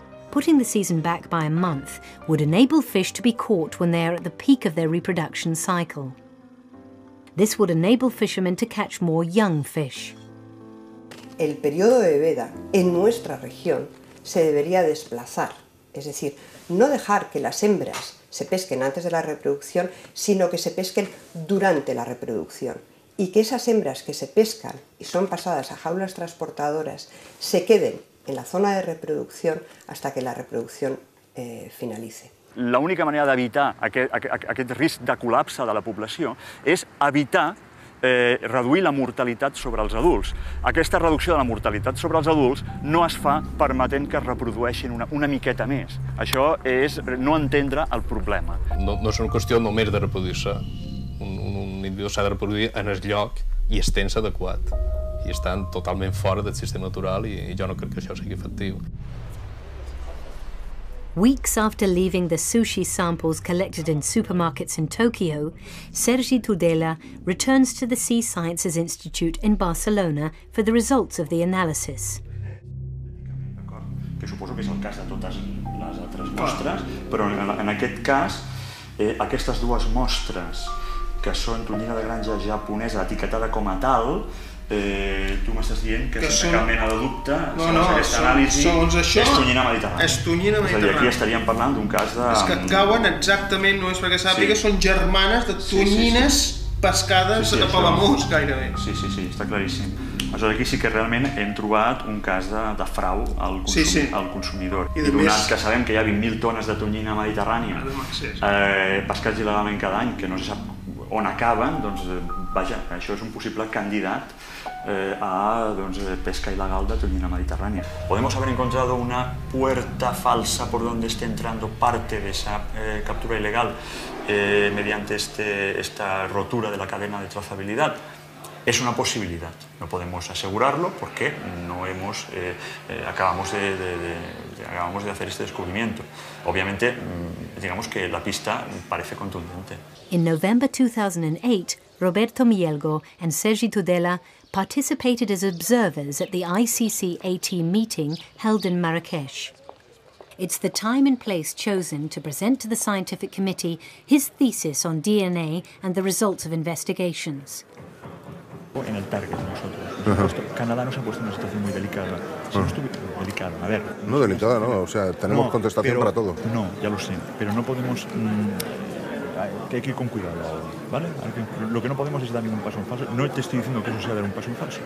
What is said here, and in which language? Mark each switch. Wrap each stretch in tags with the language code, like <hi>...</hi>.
<en>Putting the season back by a month would enable fish to be caught when they are at the peak of their reproduction cycle. This would enable fishermen to catch more young fish.</en> <es>El periodo de veda en nuestra región se debería desplazar, es decir, no dejar que las hembras se pesquen antes de la reproducción, sino que se pesquen durante la reproducción y que esas hembras que se pescan y son pasadas a jaulas transportadoras se queden en la zona de reproducción hasta que la reproducción finalice.</es> <ca>La única manera de evitar aquest risc de col·lapse de la població és evitar reduir la mortalitat sobre els adults. Aquesta reducció de la mortalitat sobre els adults no es fa permetent que es reprodueixin una miqueta més. Això és no entendre el problema. No és una qüestió només de reproduir-se. Un individu s'ha de reproduir en el lloc i el temps adequat. I estan totalment fora del sistema natural i jo no crec que això sigui efectiu.</ca> <en>Weeks after leaving the sushi samples collected in supermarkets in Tokyo, Sergi Tudela returns to the Sea Sciences Institute in Barcelona for the results of the analysis.</en> <ca>Que suposo que és el cas de totes les altres mostres, però en aquest cas, aquestes dues mostres, que són tonyina de granja japonesa etiquetada com a tal, tu m'estàs dient que és una mena de dubte, segons aquesta anàlisi, és tonyina mediterrània. És tonyina mediterrània. És a dir, aquí estaríem parlant d'un cas de... És que cauen exactament, només perquè sàpiga, sí. Són germanes de tonyines pescades a Palamós, gairebé. Sí, sí, sí, està claríssim. Aleshores, aquí sí que realment hem trobat un cas de frau al consumidor. I donat més... que sabem que hi ha 20.000 tones de tonyina mediterrània pescats il·legalment cada any, que no se sap on acaben, doncs vaja, això és un possible candidat a doncs, pesca il·legal de tonyina mediterrània.</ca> <es>Podemos haber encontrado una puerta falsa por donde esté entrando parte de esa captura ilegal mediante esta rotura de la cadena de trazabilidad. Es una posibilidad, no podemos asegurarlo porque no hemos, acabamos de hacer este descubrimiento. Obviamente, digamos que la pista parece contundente.</es> <en>In November 2008, Roberto Mielgo and Sergi Tudela participated as observers at the ICCAT meeting held in Marrakech. It's the time and place chosen to present to the scientific committee his thesis on DNA and the results of investigations.</en> <es>En el target nosotros. Uh-huh. Canadá nos ha puesto en una situación muy delicada. Si no estuviera delicada, a ver. No delicada, ¿no? O sea, tenemos no, contestación pero, para todo. No, ya lo sé. Pero no podemos. Hay que ir con cuidado ahora, ¿vale? Lo que no podemos es dar ningún paso en falso. No te estoy diciendo que eso sea dar un paso en falso.</es>